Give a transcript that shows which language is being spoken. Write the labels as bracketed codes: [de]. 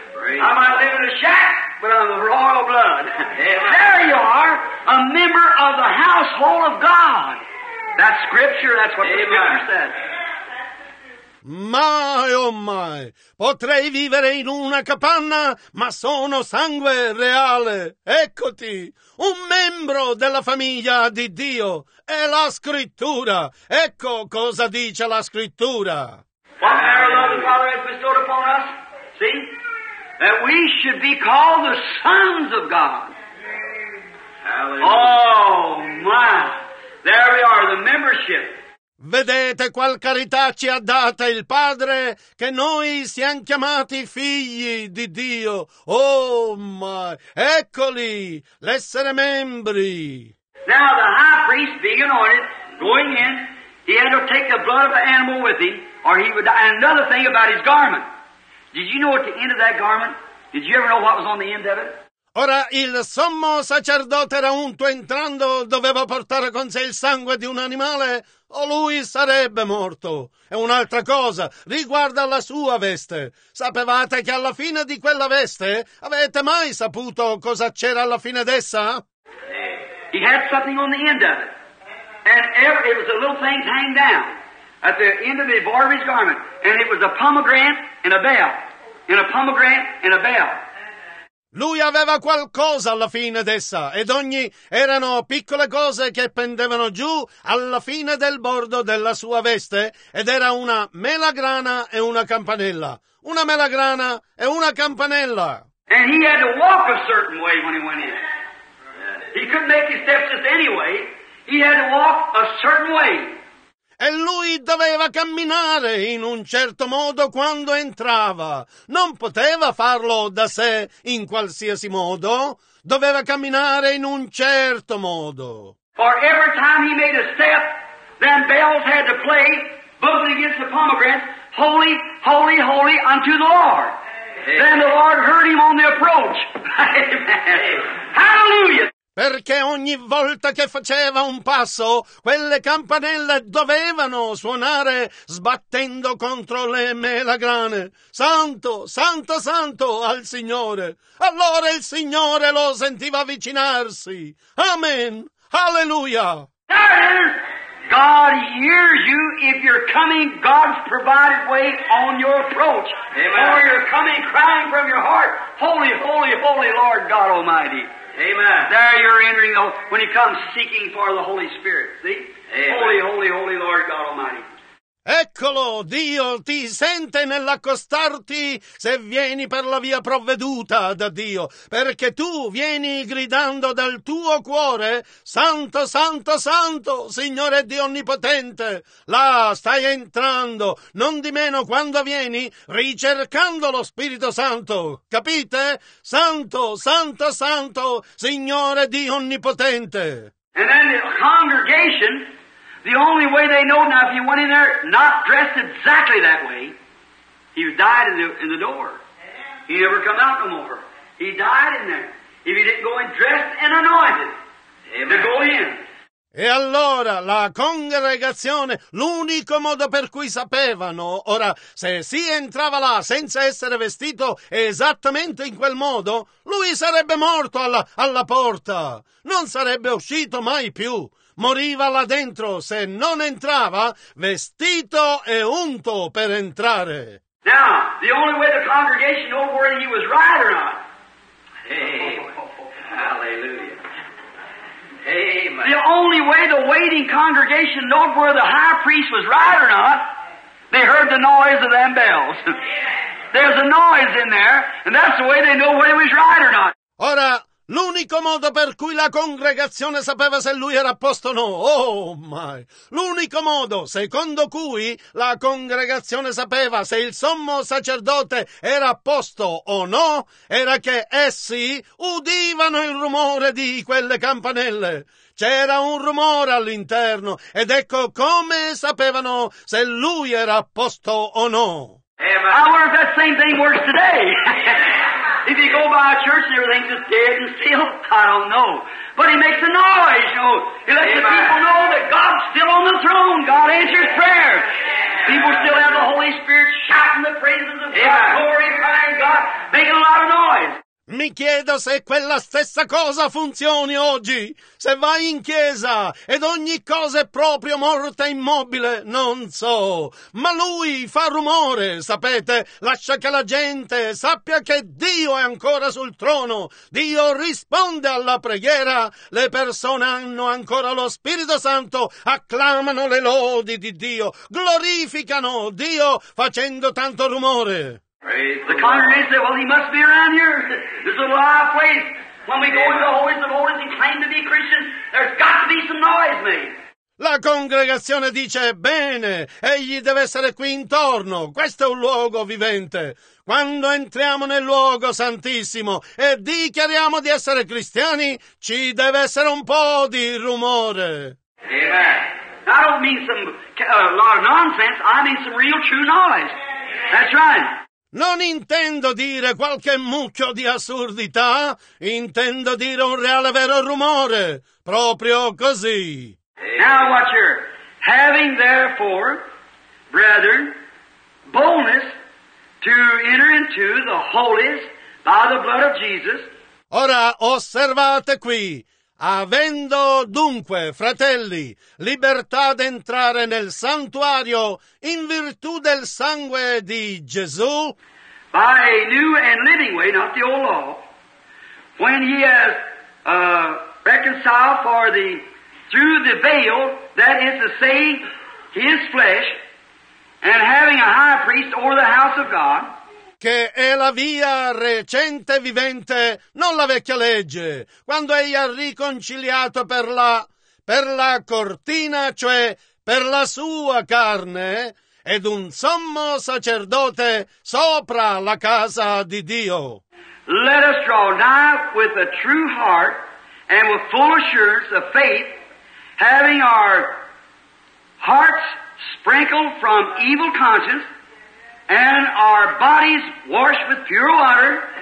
[en] I might live in a shack, but I'm of royal blood. There you are, a member of the household of God. That's scripture, that's what the scripture says. [it] Mai, oh mai, potrei vivere in una capanna, ma sono sangue reale. Eccoti, un membro della famiglia di Dio. È la scrittura. Ecco cosa dice la scrittura. [en] What power, love, the Father has bestowed upon us? See? That we should be called the sons of God. Hallelujah. Oh, my. There we are, the membership. [it] Vedete qual carità ci ha data il Padre, che noi siamo chiamati figli di Dio. [en] Oh, my. [it] Eccoli, l'essere membri. [en] Now, the high priest, being anointed, going in, he had to take the blood of the animal with him, or he would die. And another thing about his garment. Did you know at the end of that garment Did you ever know what was on the end of it? [it] Ora, il sommo sacerdote era unto, entrando doveva portare con sé il sangue di un animale o lui sarebbe morto. E un'altra cosa riguarda la sua veste. Sapevate che alla fine di quella veste, avete mai saputo cosa c'era alla fine d'essa? [en] He had something on the end of it. And it was a little thing hanging down at the end of the bar of his garment. And it was a pomegranate and a bell. And a pomegranate and a bell. [it] Lui aveva qualcosa alla fine d'essa, ed ogni erano piccole cose che pendevano giù alla fine del bordo della sua veste, ed era una melagrana e una campanella. Una melagrana e una campanella. [en] And he had to walk a certain way when he went in. He couldn't make his steps just anyway. He had to walk a certain way. [it] E lui doveva camminare in un certo modo quando entrava. Non poteva farlo da sé in qualsiasi modo. Doveva camminare in un certo modo. [en] For every time he made a step, then bells had to play, buzzing against the pomegranate, holy, holy, holy unto the Lord. Then the Lord heard him on the approach. Amen. Hallelujah! [it] Perché ogni volta che faceva un passo, quelle campanelle dovevano suonare sbattendo contro le melagrane. Santo, santo, santo al Signore. Allora il Signore lo sentiva avvicinarsi. Amen. Alleluia. [en] God hears you if you're coming God's provided way on your approach. Amen. Or you're coming crying from your heart, holy, holy, holy Lord God Almighty. Amen. There you're entering the, when he comes seeking for the Holy Spirit. See? Amen. Holy, holy, holy Lord God Almighty. [it] Eccolo, Dio ti sente nell'accostarti se vieni per la via provveduta da Dio, perché tu vieni gridando dal tuo cuore, Santo, Santo, Santo, Signore Dio Onnipotente. Là stai entrando, non di meno quando vieni, ricercando lo Spirito Santo. Capite? Santo, Santo, Santo, Signore Dio Onnipotente. [en] And then the congregation, the only way they know now, if you went in there not dressed exactly that way, he died in the door. He never come out no more. He died in there. If he didn't go in dressed and anointed, amen, to go in. [it] E allora la congregazione, l'unico modo per cui sapevano, ora, se si entrava là senza essere vestito esattamente in quel modo, lui sarebbe morto alla porta, non sarebbe uscito mai più, moriva là dentro se non entrava vestito e unto per entrare. [en] Now, the only way the congregation knew whether he was right or not. Hey, hallelujah. Amen. The only way the waiting congregation knew whether the high priest was right or not, they heard the noise of them bells. There's a noise in there, and that's the way they know whether he was right or not. [it] Ora, l'unico modo per cui la congregazione sapeva se lui era a posto o no, [en] oh my, [it] l'unico modo secondo cui la congregazione sapeva se il sommo sacerdote era a posto o no, era che essi udivano il rumore di quelle campanelle. C'era un rumore all'interno ed ecco come sapevano se lui era a posto o no. [en] I wonder if that same thing works today. If you go by a church and everything's just dead and still, I don't know. But he makes a noise, you know. He lets, amen, the people know that God's still on the throne. God answers prayer. People still have the Holy Spirit shouting the praises of, amen, God, glorifying God, making a lot of noise. [it] Mi chiedo se quella stessa cosa funzioni oggi. Se vai in chiesa ed ogni cosa è proprio morta e immobile, non so. Ma lui fa rumore, sapete? Lascia che la gente sappia che Dio è ancora sul trono. Dio risponde alla preghiera. Le persone hanno ancora lo Spirito Santo. Acclamano le lodi di Dio. Glorificano Dio facendo tanto rumore. [en] Praise the congregation said, well, he must be around here. This is a live place. When we go into the holies of holies and claim to be Christians, there's got to be some noise made. [it] La congregazione dice, bene, egli deve essere qui intorno, questo è un luogo vivente. Quando entriamo nel luogo santissimo e dichiariamo di essere cristiani, ci deve essere un po' di rumore. [en] Amen. I don't mean some lot of nonsense, I mean some real true noise. That's right. [it] Non intendo dire qualche mucchio di assurdità, intendo dire un reale vero rumore, proprio così. [en] Now watch here. Having therefore, brethren, boldness to enter into the holiest by the blood of Jesus. [it] Ora osservate qui. Avendo dunque, fratelli, libertà d'entrare nel santuario in virtù del sangue di Gesù, [en] by a new and living way, not the old law, when he has reconciled for the through the veil, that is to say, his flesh, and having a high priest over the house of God, [it] che è la via recente e vivente, non la vecchia legge, quando egli ha riconciliato per la cortina, cioè per la sua carne, ed un sommo sacerdote sopra la casa di Dio. [en] Let us draw nigh with a true heart and with full assurance of faith, having our hearts sprinkled from evil conscience, and our bodies washed with pure water.